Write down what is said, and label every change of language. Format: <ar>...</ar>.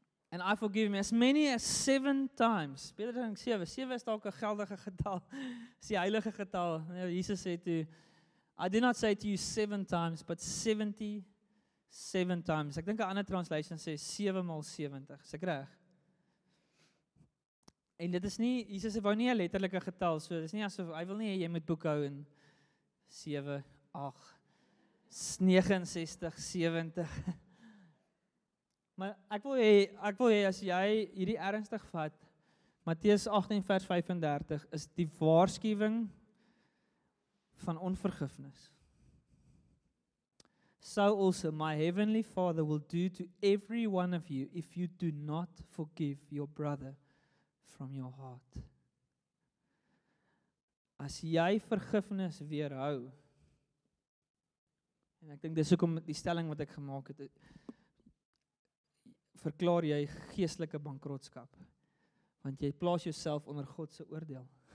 <en>And I forgive him as many as 7 times.</en> <af>Peter dink 7. 7 is dalk 'n geldige getal. Is die heilige getal. Jesus sê toe,</af> <en>I did not say to you 7 times, but 77 times.</en> <af>Ek dink 'n ander translation sê 7 maal 70. Is ek reg? En dit is nie, Jesus wou nie 'n letterlike getal, so dis nie asof, hy wil nie, jy moet boekhou in 7, 8, 69, 70. Maar ek wil hê as jy hierdie ernstig vat, Matteus 18 vers 35 is die waarskuwing van onvergifnis.</af> <en>So also my heavenly Father will do to every one of you if you do not forgive your brother from your heart.</en> <af>As jy vergifnis weerhou, en ek dink dis hoekom die stelling wat ek gemaak het, verklaar jy geestelike bankrotskap, want jy plaas jouself onder God se oordeel.</af>